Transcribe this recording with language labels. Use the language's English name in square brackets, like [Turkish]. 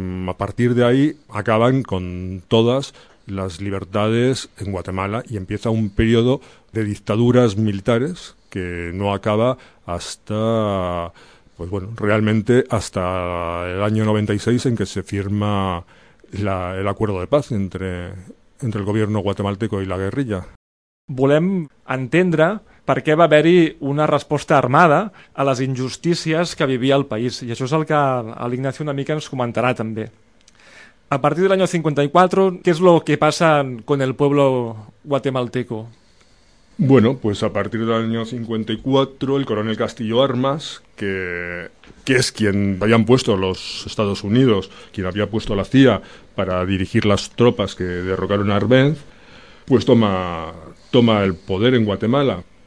[Spanish] a partir de ahí acaban con todas las libertades en Guatemala y empieza un periodo de dictaduras militares que no acaba hasta, pues bueno, realmente hasta el año 96, en que se firma el acuerdo de paz entre el gobierno guatemalteco y la guerrilla. [Catalan] Volem entendre per què va haver-hi una resposta armada a les injustícies que vivia el país, i això és el que l'Ignacio una mica ens comentarà també. [Spanish] A partir del año 54, ¿qué es lo que pasa con el pueblo guatemalteco? Bueno, pues a partir del año 54, el coronel Castillo Armas, que es quien habían puesto los Estados Unidos, quien había puesto la CIA para dirigir las tropas que derrocaron a Arbenz, pues toma el poder en Guatemala.